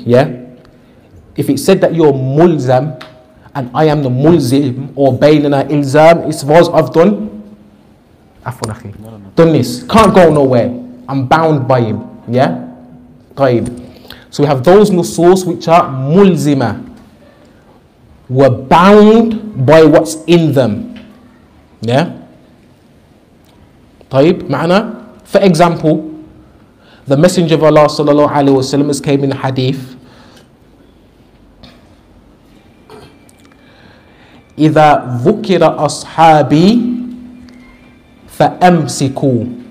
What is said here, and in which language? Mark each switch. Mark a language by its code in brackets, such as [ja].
[en] Yeah, if it said that you're mulzam and I am the mulzim or [ar] bainana ilzam, [en] it's was I've done [ar] afwan akhi, [en] done this, can't go nowhere, I'm bound by him. Yeah, [ar] طيب. [en] So we have those nusus which are mulzima, were bound by what's in them. Yeah, [ar] طيب معنا. [en] For example, the Messenger of Allah sallallahu alaihi wasallam has came in a hadith, [ar] إذا ذكر أصحابي فأمسكوا.